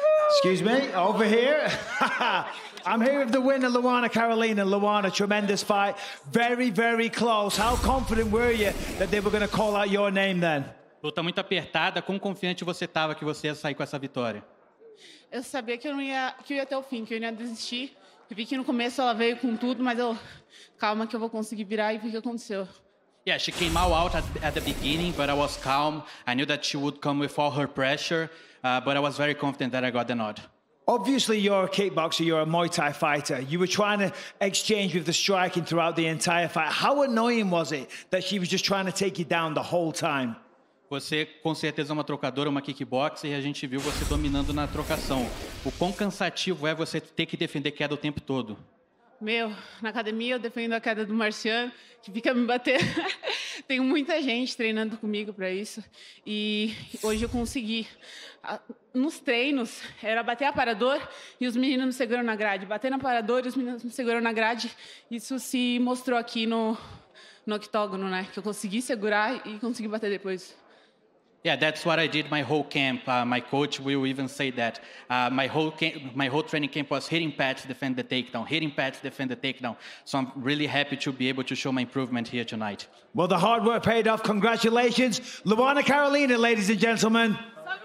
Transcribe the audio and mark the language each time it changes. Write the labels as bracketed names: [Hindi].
[English] Excuse me, over here. I'm here with the winner, Luana Carolina. Luana, tremendous fight. Very, very close. How confident were you that they were going to call out your name then? [Portuguese] Luta muito apertada. Quão confiante você estava que você ia sair com essa vitória? Eu sabia que eu não ia, que eu ia até o fim, que eu ia desistir. Eu vi que no começo ela veio com tudo, mas eu... Calma que eu vou conseguir virar e ver o que aconteceu. [English] Yeah, she came out at the beginning, but I was calm. I knew that she would come with all her pressure, but I was very confident that I got the nod. Obviously, you're a kickboxer, you're a Muay Thai fighter. You were trying to exchange with the striking throughout the entire fight. How annoying was it that she was just trying to take you down the whole time? [Portuguese] Você com certeza é uma trocadora, uma kickboxer, e a gente viu você dominando na trocação. O quão cansativo é você ter que defender queda o tempo todo? Meu, na academia eu defendo a queda do Marciano, que fica me bater. Tem muita gente treinando comigo para isso. E hoje eu consegui. Nos treinos, era bater a parador e os meninos me seguram na grade. Bater na parador e os meninos me seguram na grade. Isso se mostrou aqui no octógono, né? Que eu consegui segurar e consegui bater depois. [English] Yeah, that's what I did my whole camp. My coach will even say that. My whole training camp was hitting pads, defend the takedown. Hitting pads, defend the takedown. So I'm really happy to be able to show my improvement here tonight. Well, the hard work paid off. Congratulations, Luana Carolina, ladies and gentlemen.